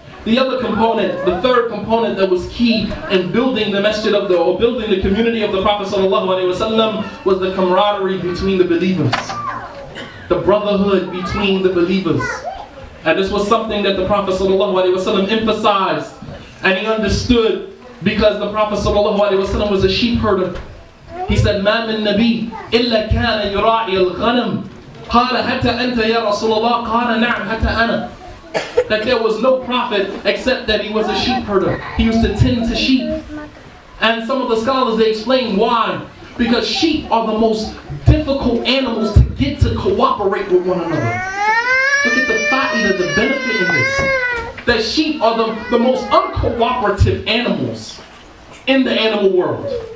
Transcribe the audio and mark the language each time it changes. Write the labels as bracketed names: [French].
[English] The other component, the third component that was key in building the masjid of building the community of the Prophet sallallahu alaihi wasallam, was the camaraderie between the believers, the brotherhood between the believers. And this was something that the Prophet sallallahu alaihi wasallam emphasized, and he understood. Because the Prophet sallallahu alaihi wasallam was a sheep herder. He said, [Arabic] ما من نبي إلا كان يراعي الغنم قال حتى أنت يا رسول الله قال نعم حتى أنا. [English] That there was no prophet except that he was a sheep herder. He used to tend to sheep. And some of the scholars, they explain why. Because sheep are the most difficult animals to get to cooperate with one another. Look at the fa'ida, the benefit in this. That sheep are the most uncooperative animals in the animal world.